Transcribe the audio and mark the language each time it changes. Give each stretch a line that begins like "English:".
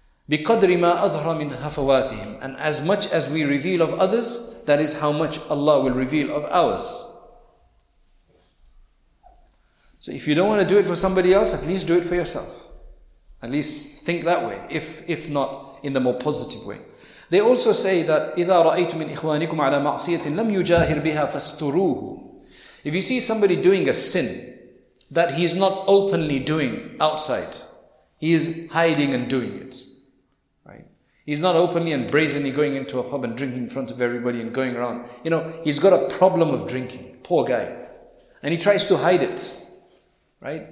Arabic: بِقَدْرِ مَا أَظْهَرَ مِنْ هَفَوَاتِهِمْ.
English: And as much as we reveal of others, that is how much Allah will reveal of ours. So if you don't want to do it for somebody else, at least do it for yourself. At least think that way, if not in the more positive way. They also say that
Arabic: إِذَا رَأَيْتُ مِنْ إِخْوَانِكُمْ عَلَى مَعْصِيَةٍ لَمْ يُجَاهِرْ بِهَا فَاسْتُرُوهُ.
English: If you see somebody doing a sin that he's not openly doing outside, he's hiding and doing it. He's not openly and brazenly going into a pub and drinking in front of everybody and going around. You know, he's got a problem of drinking. Poor guy. And he tries to hide it. Right?